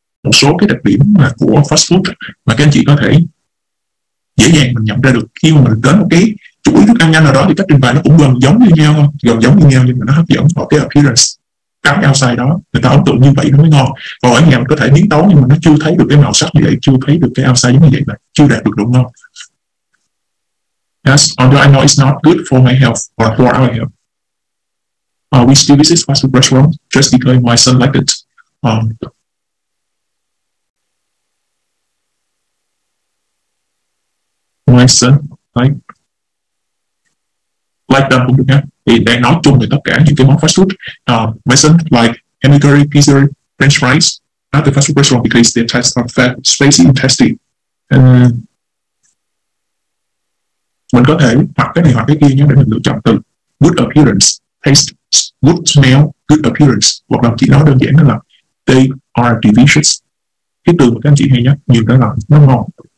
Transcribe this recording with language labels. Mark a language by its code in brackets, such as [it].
[vi] Một số cái đặc điểm mà của fast food mà các anh chị có thể dễ dàng mình nhận ra được khi mà mình đến một cái chuỗi thức ăn nhanh nào đó thì cách trình bày nó cũng gần giống như nhau nhưng mà nó hấp dẫn vào cái appearance. Cái outside đó, người ta ấn tượng như vậy nó mới ngon. Còn ở nhà mình có thể biến tấu nhưng mà nó chưa thấy được cái màu sắc như vậy, chưa thấy được cái outside như vậy là chưa đạt được độ ngon. [en] Yes, although I know it's not good for my health or for our health. We still visit fast food restaurant just because my son liked it. My son, like them [vi] cũng được nha. Thì đang nói chung về tất cả những cái món fast food. [en] My son like hamburger, pizza, french fries at the fast food restaurant because their tastes are fat, spicy, and tasty. [vi] Mình có thể hoặc cái này hoặc cái kia nhé để mình lựa chọn từ [en] good appearance, taste, good smell, good appearance. [vi] Hoặc là chỉ nói đơn giản là [en] they are delicious. [vi] Cái từ mà các anh chị hay nhắc nhiều đó là nó ngon.